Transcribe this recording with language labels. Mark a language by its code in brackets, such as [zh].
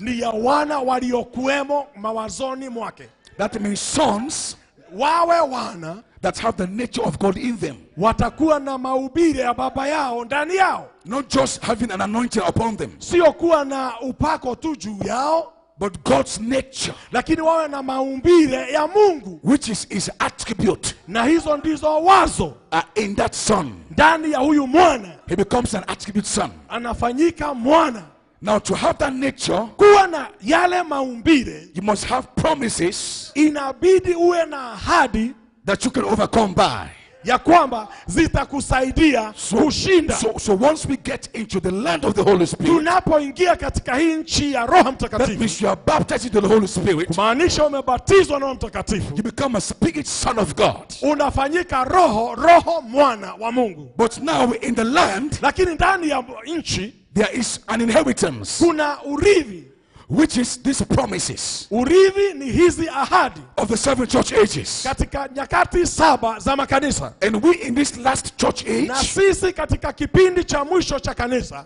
[sw] Ni ya wana waliokuemo mawazoni mwake. [en] That means sons, [sw] wawe wana, [en] that have the nature of God in them. [sw] Watakuwa na maubiri ya baba yao ndani yao. [en] Not just having an anointing upon them. [sw] Sio kuwa na upako tu juu yao. [en] But God's nature, [sw] lakini wawe na maumbile ya Mungu, [en] which is his attribute, [sw] na hizo ndizo wazo, [en] in that son, [sw] ndani ya huyu mwana, [en] he becomes an attribute son, [sw] anafanyika mwana. [en] Now to have that nature, [sw] kuwa na yale maumbile, [en] you must have promises, [sw] inabidi uwe na ahadi, [en] that you can overcome by, [sw] ya kwamba zitakusaidia kushinda. [en] So once we get into the land of the Holy Spirit, [sw] tunapoingia katika hii nchi ya Roho Mtakatifu, [en] that means you are baptized into the Holy Spirit, [sw] kumaanisha umebatizwa na Roho Mtakatifu, [en] you become a spirit son of God, [sw] unafanyika roho mwana wa Mungu. [en] But now in the land, [sw] lakini ndani ya nchi, [en] there is an inheritance, [sw] kuna urithi, [en] which is these promises, [sw] urithi ni hizi ahadi, [en] of the seven church ages, [sw] katika nyakati saba za makanisa. [en] And we in this last church age, [sw] na sisi katika kipindi cha mwisho cha kanisa,